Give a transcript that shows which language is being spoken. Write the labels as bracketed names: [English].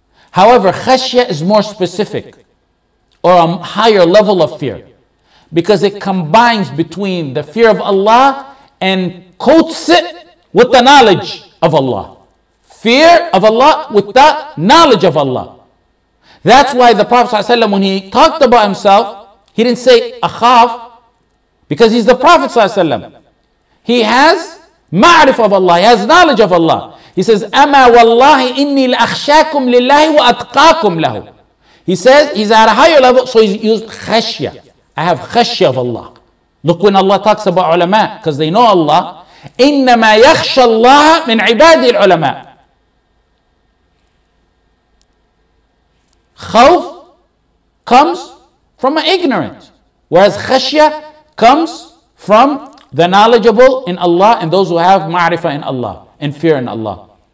[English] However, khashya is more specific, or a higher level of fear, because it combines between the fear of Allah and coats it with the knowledge of Allah. Fear of Allah with the knowledge of Allah. That's why the Prophet ﷺ, when he talked about himself, he didn't say akhaf, because he's the Prophet ﷺ. He has ma'rif of Allah, he has knowledge of Allah. [Arabic] He says, أَمَا وَاللَّهِ إِنِّي لَأَخْشَاكُمْ لِلَّهِ وَأَتْقَاكُمْ لَهُ. [English] He says, he's at a higher level, so he's used khashya. I have khashya of Allah. Look when Allah talks about ulama, because they know Allah. [Arabic] إِنَّمَا يَخْشَى اللَّهَ مِنْ عِبَادِ الْعُلَمَاءِ. [English] Khawf comes from an ignorant, whereas khashya comes from the knowledgeable in Allah and those who have ma'rifah in Allah and fear in Allah.